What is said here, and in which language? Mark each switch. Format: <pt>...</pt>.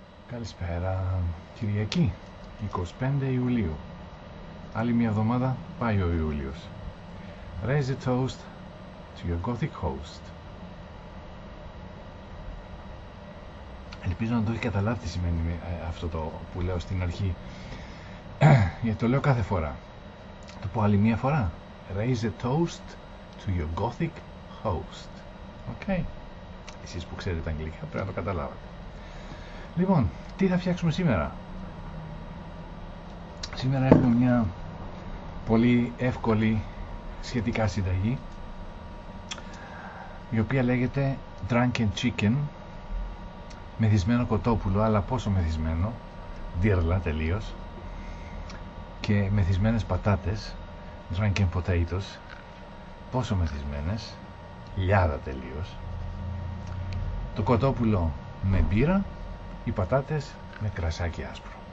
<el>Καλησπέρα, Κυριακή, 25 Ιουλίου. Άλλη μια εβδομάδα πάει ο Ιούλιος.</el> <en>Raise a toast to your Gothic host.</en> <el>Ελπίζω να το έχει καταλάβει τι σημαίνει αυτό το που λέω στην αρχή. Γιατί το λέω κάθε φορά. Το πω άλλη μια φορά.</el> <en>Raise a toast to your Gothic host. Okay.</en> <el>Εσείς που ξέρετε τα αγγλικά πρέπει να το καταλάβετε. Λοιπόν, τι θα φτιάξουμε σήμερα. Σήμερα έχουμε μια πολύ εύκολη σχετικά συνταγή, η οποία λέγεται Drunken Chicken, μεθυσμένο κοτόπουλο, αλλά πόσο μεθυσμένο, δίρλα τελείως, και μεθυσμένες πατάτες, Drunken Potatoes, πόσο μεθυσμένες, λιάδα τελείως, το κοτόπουλο με μπύρα, οι πατάτες με κρασάκι άσπρο.</el>